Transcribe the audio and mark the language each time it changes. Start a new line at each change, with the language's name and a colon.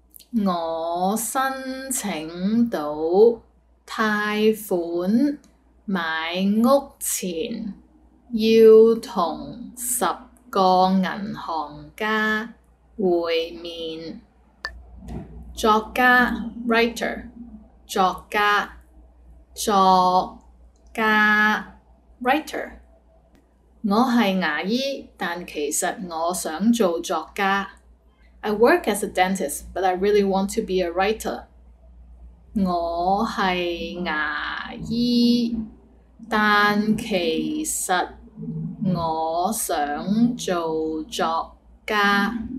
Cantonese: 我申請到貸款買屋前要同十個銀行家會面。作家 writer。作家，作家
English: writer。
Cantonese: 我是牙醫，但其實我想做作家。
English: I work as a dentist, but I really want to be a writer.
Cantonese: 我是牙醫，但其實我想做作家。